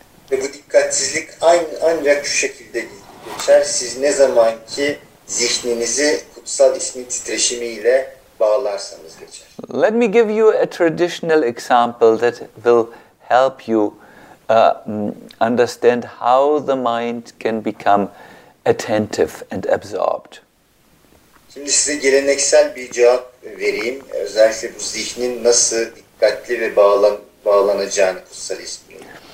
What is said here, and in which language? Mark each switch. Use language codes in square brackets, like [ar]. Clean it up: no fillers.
[tr] Ve bu dikkatsizlik ancak şu şekilde geçer. Siz ne zaman ki zihninizi kutsal ismin titreşimiyle bağlarsanız geçer. [en] Let me give you a traditional example that will help you understand how the mind can become attentive and absorbed. [tr] Şimdi size geleneksel bir cevap vereyim. Özellikle bu zihnin nasıl dikkatli ve bağlanacağını kutsal ismiyle.